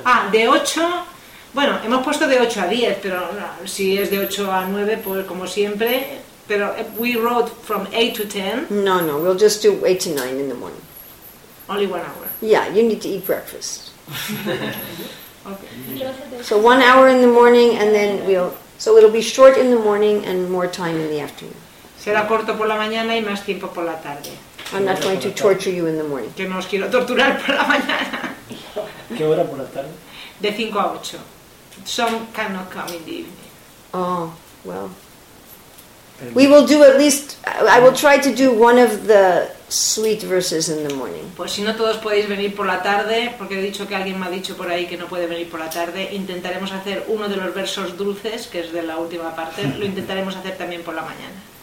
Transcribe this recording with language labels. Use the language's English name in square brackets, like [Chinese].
[Spanish] De 8, bueno, hemos puesto de 8 a 10, pero no, si es de 8 a 9, pues como siempre, pero [English] we wrote from 8 to 10. No, we'll just do 8 to 9 in the morning. Only 1 hour. Yeah, you need to eat breakfast. Okay. So 1 hour in the morning, and then it'll be short in the morning and more time in the afternoon. [Spanish] Será corto por la mañana y más tiempo por la tarde. [English] I'm not going to torture you in the morning. [Spanish] Que no os quiero torturar por la mañana. ¿Qué hora por la tarde? De 5 a 8. [English] Some cannot come in the evening. Oh, well. We will do at least, I will try to do one of the sweet verses in the morning. [Spanish] Pues si no todos podéis venir por la tarde, porque he dicho que alguien me ha dicho por ahí que no puede venir por la tarde, intentaremos hacer uno de los versos dulces, que es de la última parte, lo intentaremos hacer también por la mañana.